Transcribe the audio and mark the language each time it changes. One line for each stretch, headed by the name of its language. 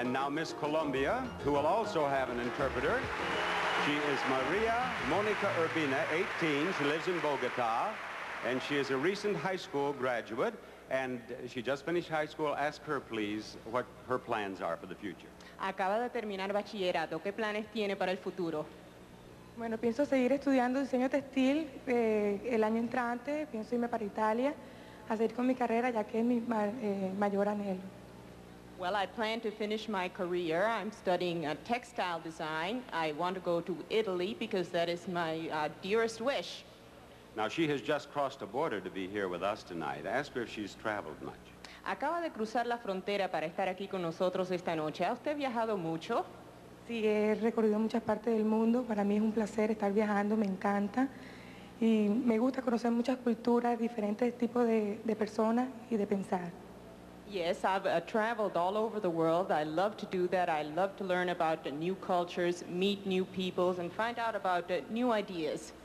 English: Miss Colombia, who will also have an interpreter. She is Maria Monica Urbina, 18. She lives in Bogota, and she is a recent high school graduate, and she just finished high school. Ask her, please, what her plans are for the future.
Spanish: Acaba de terminar bachillerato. ¿Qué planes tiene para el futuro? Bueno, pienso seguir estudiando diseño textil el año entrante. Pienso irme para Italia a seguir con mi carrera, ya que es mi mayor anhelo.
English: Well, I plan to finish my career. I'm studying textile design. I want to go to Italy because that is my dearest wish. Now, she has just crossed a border to be here with us tonight. Ask her if she's traveled much.
Spanish: Acaba de cruzar la frontera para estar aquí con nosotros esta noche. ¿Ha usted viajado mucho? Sí, he recorrido muchas partes del mundo. Para mí es un placer estar viajando. Me encanta. Y me gusta conocer muchas culturas, diferentes tipos de personas y de pensar.
English: Yes, I've traveled all over the world. I love to do that. I love to learn about new cultures, meet new peoples, and find out about new ideas.